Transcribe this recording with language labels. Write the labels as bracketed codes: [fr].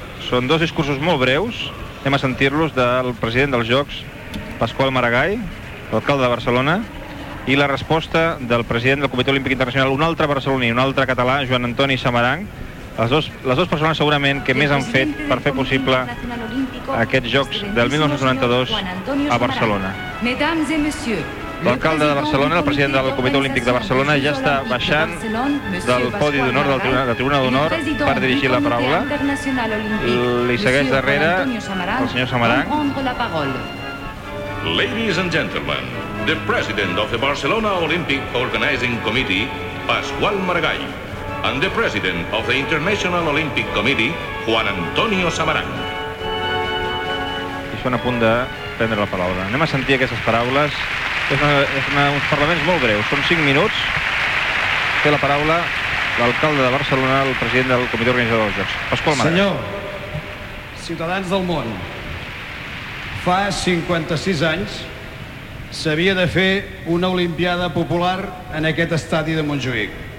[ca] Són dos discursos molt breus, anem a sentir-los, del president dels Jocs, Pasqual Maragall, l'alcalde de Barcelona, i la resposta del president del Comitè Olímpic Internacional, un altre barceloní, un altre català, Joan Antoni Samaranch, les dues persones segurament que més han fet per fer possible aquests Jocs del 1992 a Barcelona. [fr] Mesdames et messieurs, [ca] l'alcalde de Barcelona, el president del Comitè Olímpic de Barcelona, ja està baixant del podi d'honor, de la tribuna d'honor, per dirigir la paraula. Li segueix darrere el senyor Samaranch. [en] Ladies and gentlemen, the president of the Barcelona Olympic Organizing Committee, Pasqual Maragall, and the president of the International Olympic Committee, Juan Antonio Samaranch. [ca] I són a punt de prendre la paraula. Anem a sentir aquestes paraules. Uns parlaments molt breus, són 5 minuts. Té la paraula l'alcalde de Barcelona, el president del Comitè Organitzador dels Jocs, Pasqual Maragall. Senyor, ciutadans del món, fa 56 anys s'havia de fer una olimpiada popular en aquest estadi de Montjuïc.